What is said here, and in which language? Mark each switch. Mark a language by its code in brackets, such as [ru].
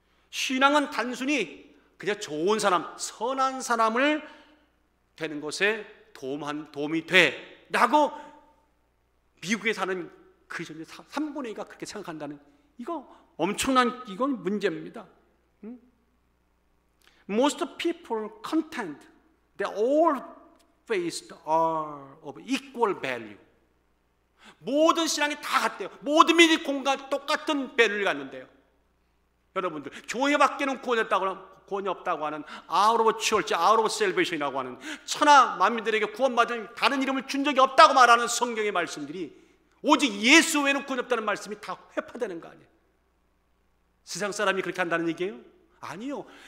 [ko] 신앙은 단순히 그냥 좋은 사람, 선한 사람을 되는 것에 도움이 돼 라고 미국에 사는 그 전에 3분의 2가 그렇게 생각한다는 이거 엄청난 이건 문제입니다. 응? [en] Most people contend that all faiths are of equal value. [ko] 모든 신앙이 다 같대요. 모든 믿음이 공과 똑같은 밸류를 갖는데요. 여러분들 교회밖에는 구원이 없다고 하는 [en] out of church, out of salvation [ko] 이라고 하는 천하 만민들에게 구원받은 다른 이름을 준 적이 없다고 말하는 성경의 말씀들이 오직 예수 외에는 구원이 없다는 말씀이 다 훼파되는 거 아니에요? 세상 사람이 그렇게 한다는 얘기예요? 아니요.